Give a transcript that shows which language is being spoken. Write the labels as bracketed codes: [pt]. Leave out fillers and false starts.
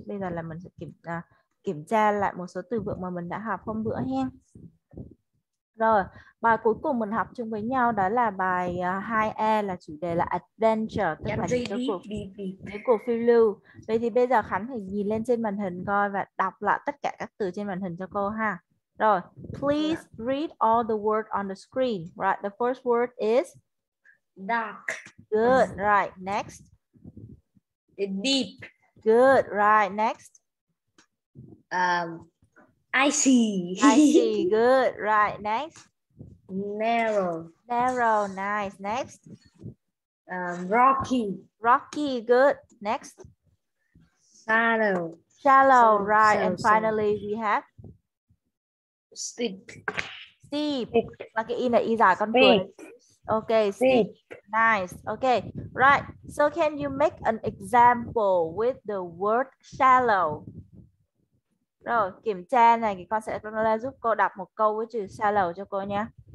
[vi] Bây giờ là mình sẽ kiểm tra lại một số từ vựng mà mình đã học hôm bữa hen. Rồi, bài cuối cùng mình học chung với nhau đó là bài 2E là chủ đề là Adventure, tức Dạ, là những cái đi, cuộc đi, đi. phiêu lưu. Vậy thì bây giờ Khánh thì nhìn lên trên màn hình coi và đọc lại tất cả các từ trên màn hình cho cô ha. Rồi, [en] please read all the words on the screen. Right, the first word is Dark. good. Right, next. Deep. Good. Right, next. I see. I see. Good. Right. Next. Narrow. Narrow. Nice. Next. Rocky. Rocky. Good. Next. Shallow. Shallow. So, Right. so, And so. finally, we have Steep. steep. Steep. [vi] Là cái in là y dài con cuối. [en] Steep. Okay. Steep. Steep. Nice. Okay. Right. So, can you make an example with the word shallow? [vi] Rồi, kiểm tra này thì con sẽ giúp cô đọc một câu với chữ shallow cho cô nhé.